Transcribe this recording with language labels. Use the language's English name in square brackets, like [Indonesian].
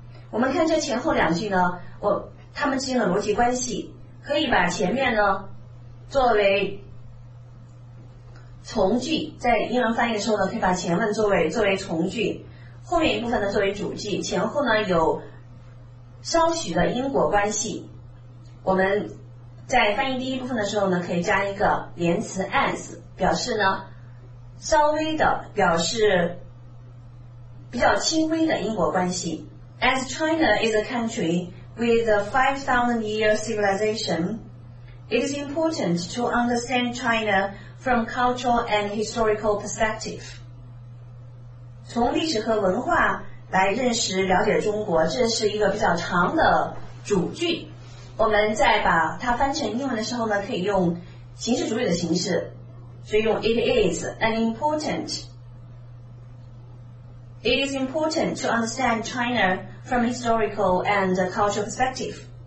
[Chinese] 我们看这前后两句呢，他们之间的逻辑关系，可以把前面呢作为从句，在英文翻译的时候呢可以把前文作为从句，后面一部分呢作为主句，前后呢有稍许的因果关系。我们在翻译第一部分的时候呢可以加一个连词 as，表示呢稍微的，表示比较轻微的因果关系。 [English] As China is a country with a 5,000 year civilization, it is important to understand China from cultural and historical perspective. [Chinese] 从历史和文化来认识了解中国，这是一个比较长的主句。我们再把它翻成英文的时候呢，可以用形式主语的形式，所以用 [English] It is important to understand China from historical and cultural perspective.